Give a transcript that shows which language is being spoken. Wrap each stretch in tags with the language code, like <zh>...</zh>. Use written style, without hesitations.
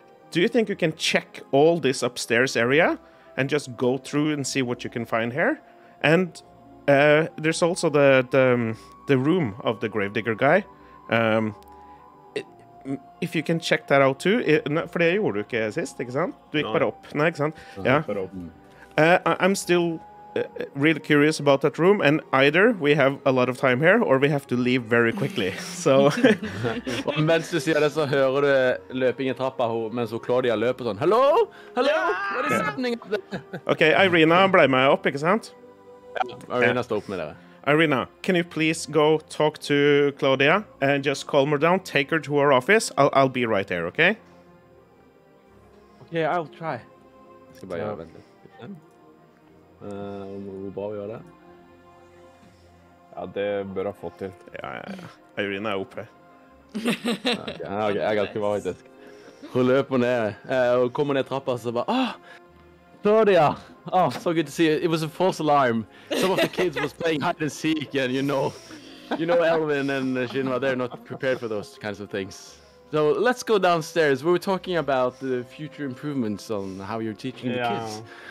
<en>Do you think you can check all this upstairs area? And just go through and see what you can find here. And there's also the room of the gravedigger guy. If you can check that out too.</en> <no>For det gjorde du ikke sist, ikke sant? Du gikk bare opp. Nei, ikke sant? Ja.</no> <en>I'm still really curious about that room. And either we have a lot of time here, or we have to leave very quickly. So.</en> <no>Mens du sier det, så hører du løping i trappa, mens Claudia løper sånn.</no> <en>Hello? Hello? What is happening?</en> <no>Okay, Irina ble med opp, ikke sant? Ja, Irina står opp med dere.</no> <en>Irina, can you please go talk to Claudia and just calm her down, take her to her office? I'll be right there, okay? Okay, I'll try.</en> <no>Jeg skal bare gjøre det, vent litt. Hvor bra vi gjør det? Ja, det bør jeg få til. Ja. Irina er OP. Okay, jeg er ganske bra, faktisk. Hun løper ned, og kommer ned trappa, så bare...</no> <en>Ah! Claudia! Oh, so good to see you. It was a false alarm. Some of the kids was playing hide and seek, and you know Elvin and Shinra, they're not prepared for those kinds of things. So let's go downstairs. We were talking about the future improvements on how you're teaching the kids.</en>